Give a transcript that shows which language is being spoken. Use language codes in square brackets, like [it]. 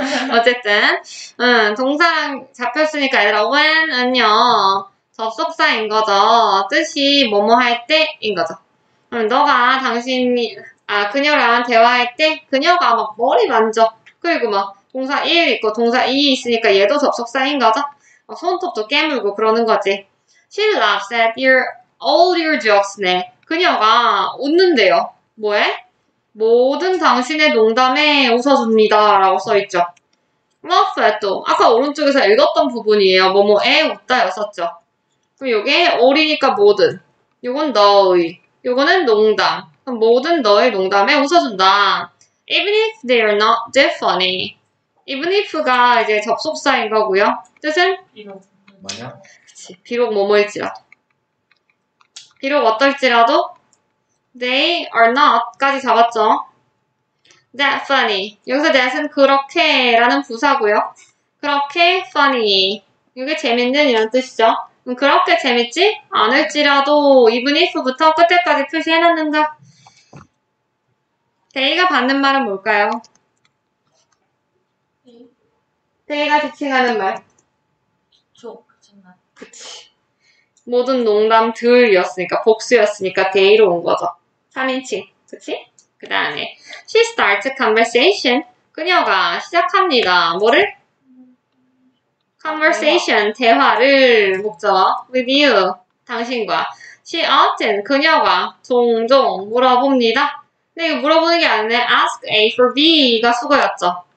[ko] 어쨌든 동사랑 잡혔으니까 얘들아 when은요 접속사인 거죠. 뜻이 뭐뭐 할 때인 거죠. 너가 당신이 그녀랑 대화할 때 그녀가 막 머리 만져. 그리고 막 동사 1 있고 동사 2 있으니까 얘도 접속사인 거죠. 손톱도 깨물고 그러는 거지. [en] She laughs at all your jokes. [ko] 네. 그녀가 웃는데요. 뭐해? 모든 당신의 농담에 웃어줍니다라고 써 있죠. [en] Laugh at [ko] 또 아까 오른쪽에서 읽었던 부분이에요. 뭐뭐에 웃다였었죠. 그럼 이게 all이니까 모든. 이건 너의. 이거는 농담. 모든 너의 농담에 웃어준다. [en] Even if they are not that funny. [ko] Even if가 이제 접속사인 거고요. 뜻은? 이거 만약 그치. 비록 뭐뭐일지라도. 비록 어떨지라도 [en] they are not [ko] 까지 잡았죠. [en] That funny. [ko] 여기서 that은 그렇게라는 부사고요. 그렇게 funny. 이게 재밌는 이런 뜻이죠. 그렇게 재밌지 않을지라도 even if부터 끝에까지 표시해놨는가? 데이가 받는 말은 뭘까요? 데이가 지칭하는 말. 그치. 모든 농담 들이었으니까, 복수였으니까 데이로 온 거죠. 3인칭. 그치? 그 다음에 [en] She starts conversation. [ko] 그녀가 시작합니다. 뭐를? Conversation, 대화를 목적어 [en] With you, [ko] 당신과 [en] She often, [ko] 그녀가 종종 물어봅니다. 근데 이거 물어보는 게 아니네. [en] Ask A for B [ko] 가 수거였죠.